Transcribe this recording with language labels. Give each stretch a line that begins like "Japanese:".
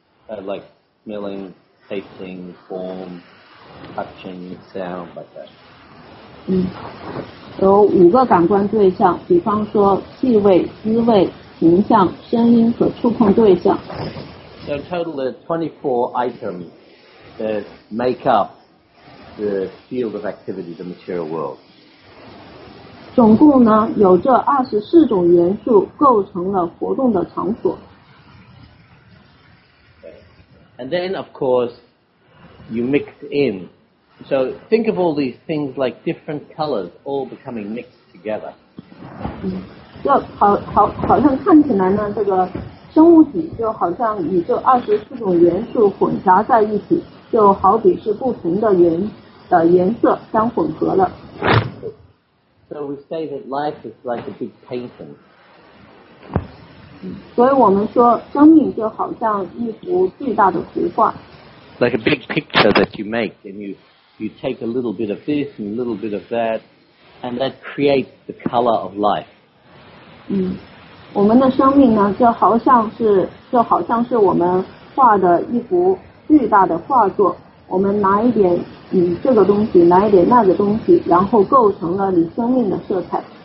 English: Like smelling, tasting, form, touching, sound, like that.
Chinese: 有五个感官对象，比方说气味、滋味、形象、声音和触碰对象。
English: So total of 24 items that make up the field of activity, the material world.
Chinese: 总共呢，有这24种元素构成了活动的场所。
English: And then, of course, you mix in. So think of all these things like different colors all becoming mixed together.
Chinese: 好像看起来呢，这个生物体就好像与这24种元素混杂在一起，就好比是不同的颜色相混合了。
English: So we say that life is like a big painting.
Chinese: 所以我们说生命就好像一幅巨大的图画。
English: Like a big picture that you make and you take a little bit of this and a little bit of that, and that creates the color of life.
Chinese: 我们的生命呢，就好像是我们画的一幅巨大的画作。我们拿一点这个东西，拿一点那个东西，然后构成了你生命的色彩。